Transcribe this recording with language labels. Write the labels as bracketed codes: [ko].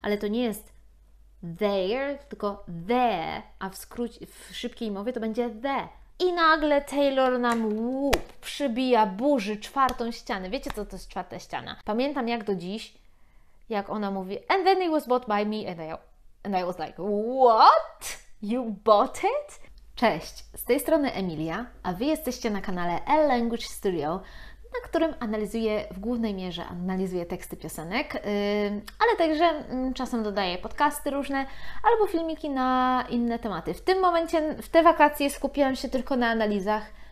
[pl] ale to nie jest there, tylko there, a w skrócie, w szybkiej mowie to będzie the. I nagle Taylor nam przybija, burzy czwartą ścianę. Wiecie, co to jest czwarta ściana? Pamiętam jak do dziś, jak ona mówi, [en] and then it was bought by me, and I was like, what? You bought it? [pl] Cześć, z tej strony Emilia, a Wy jesteście na kanale L Language Studio, na którym analizuję, w głównej mierze analizuję teksty piosenek, ale także czasem dodaję podcasty różne albo filmiki na inne tematy. W tym momencie, w te wakacje skupiłam się tylko na analizach.